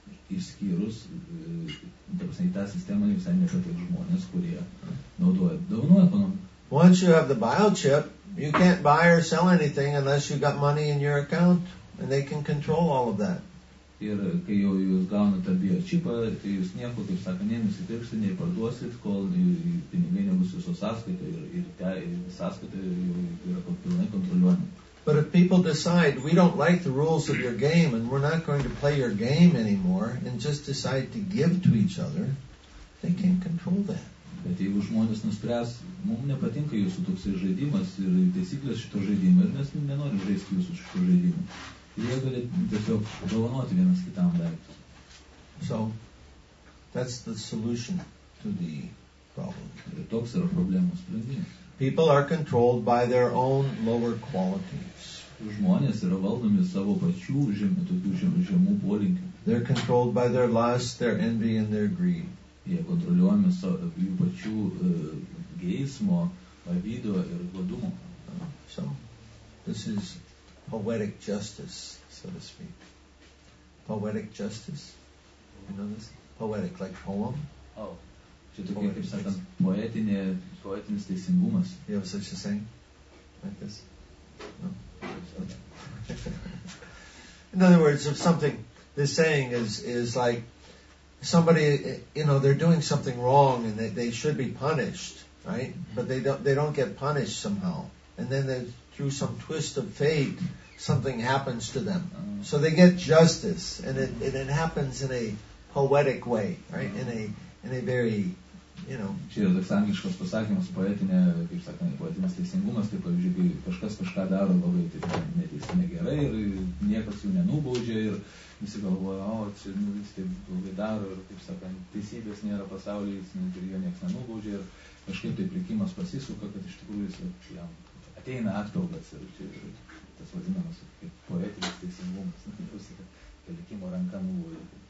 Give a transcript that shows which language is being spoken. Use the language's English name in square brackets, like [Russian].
[Lithuanian] Išskyrus į tą sistemą visai nepatik žmonės, kurie naudoja daunų ekonomiką. [English] Once you have the biochip, you can't buy or sell anything unless you've got money in your account, and they can control all of that. [Lithuanian] Ir kai jau jūs gaunate čipą, tai jūs nieko, kaip sako, nei nusipirksit, nei parduosit, kol pinigai nebus jūsų sąskaita ir sąskaita yra pilnai kontroliuojama. [English] But if people decide, we don't like the rules of your game and we're not going to play your game anymore and just decide to give to each other, they can't control that. [Lithuanian] Bet jeigu žmonės nuspręs, mums nepatinka jūsų toksai žaidimas ir taisyklės šito žaidimo ir mes nenorim žaisti jūsų šito žaidimo. Ir jie gali tiesiog dovanoti vienas kitam daiktus. [English] So, that's the solution to the problem. [Lithuanian] Ir toks yra problemos sprendimas. [English] People are controlled by their own lower qualities. [Lithuanian] Žmonės yra valdomi savo pačių žemų polinkių. [English] They're controlled by their lust, their envy and their greed. [Lithuanian] Jie kontroliuojami jų pačių geismo, pavydo ir godumo. [English] So, this is poetic justice, so to speak. Poetic justice. You know this? Poetic, like poem. Oh. [Lithuanian] Čia tokia, kaip sakant, poetinis teisingumas. [English] You have such a saying? Like this? No? In other words, if something, this saying is like, somebody, you know, they're doing something wrong and they should be punished, right? But they don't get punished somehow. And then through some twist of fate, something happens to them. So they get justice and it happens in a poetic way, right? In a very, you know. [Lithuanian] Čia yra toks angliškas pasakymas, poetinė, kaip sakant, poetinis teisingumas, tai pavyzdžiui, kai kažkas kažką daro labai neteisingai gerai ir niekas jų nenubaudžia ir visi galvoja, o čia vis taip blogai daro ir, kaip sakant, teisybės nėra pasaulyje ir jo niekas nenubaudžia ir kažkaip tai likimas pasisuka, kad iš tikrųjų jis jam ateina atpildas ir čia tas vadinamas kaip poetinis teisingumas, kad likimo ranka nubaudžia.